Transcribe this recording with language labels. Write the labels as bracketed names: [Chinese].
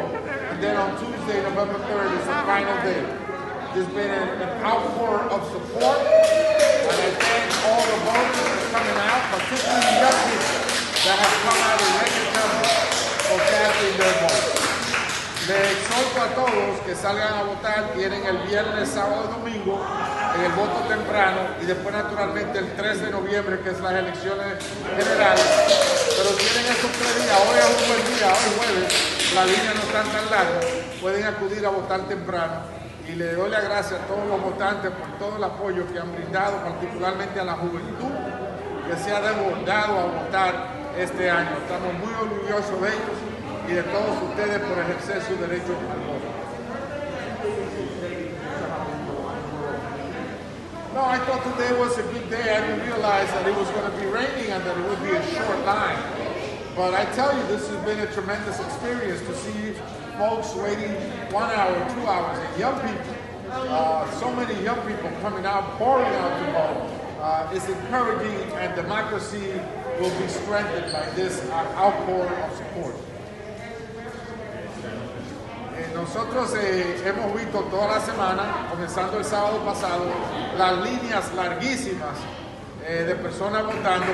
[English] And then on Tuesday, November 3rd is the final day. There's been an outpour of support, and I thank all the voters for coming out, particularly young people that have come out in record numbers for casting their vote. [Spanish] Les exhorto a todos que salgan a votar, tienen el viernes, sábado y domingo, en el voto temprano, y después naturalmente el 3 de noviembre, que es las elecciones generales. Pero tienen esos tres días, hoy es un buen día, hoy jueves, las líneas no están tan largas, pueden acudir a votar temprano. Y le doy las gracias a todos los votantes por todo el apoyo que han brindado, particularmente a la juventud, que se ha desbordado a votar este año. Estamos muy orgullosos de ellos y de todos ustedes por ejercer su derecho al voto. [English] No, I thought today was a good day. I didn't realize that it was going to be raining and that it would be a short line. But I tell you, this has been a tremendous experience to see folks waiting 1 hour, 2 hours, and young people. So many young people coming out, pouring out to vote. It's encouraging, and democracy will be strengthened by this outpour of support. [Spanish] Nosotros hemos visto toda la semana, comenzando el sábado pasado, las líneas larguísimas de personas votando.